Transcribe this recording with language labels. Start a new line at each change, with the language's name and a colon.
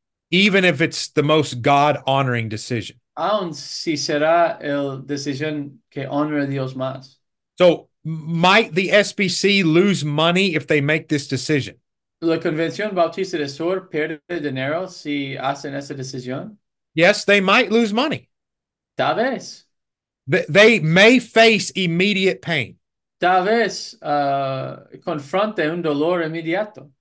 English: even if it's the most God-honoring decision.
Spanish: Aun si será la decisión que honra a Dios más.
English: So, might the SBC lose money if they make this decision?
Spanish: ¿La Convención Bautista del Sur pierde dinero si hacen esa decisión?
English: Yes, they might lose money.
Spanish: Tal vez.
English: They may face immediate pain.
Spanish: Tal vez confronte un dolor inmediato.